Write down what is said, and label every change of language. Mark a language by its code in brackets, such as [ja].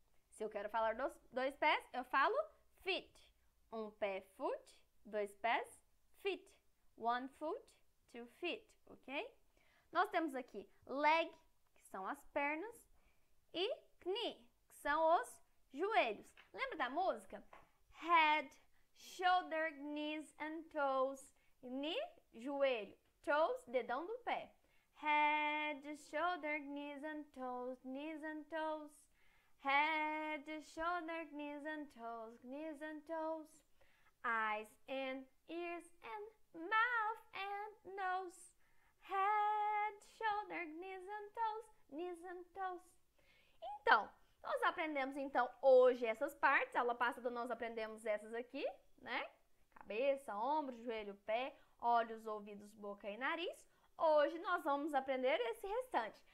[pt] Se eu quero falar dos dois pés, eu falo feet. Um pé, foot. Dois pés, [en] feet. One foot, two feet, ok? [pt] Nós temos aqui leg, que são as pernas. E knee, que são os joelhos. Lembra da música? [en] Head, shoulder, knees and toes. Knee, joelho. Toes, [pt] dedão do pé. [en] Head, shoulder, knees and toes, knees and toes. Head, shoulder, knees and toes, knees and toes. Eyes and ears and mouth and nose. Head, shoulder, knees and toes, knees and toes. [pt] Então, nós aprendemos então hoje essas partes. A aula passada nós aprendemos essas aqui, né? Cabeça, ombro, joelho, pé. Olhos, ouvidos, boca e nariz. Hoje nós vamos aprender esse restante.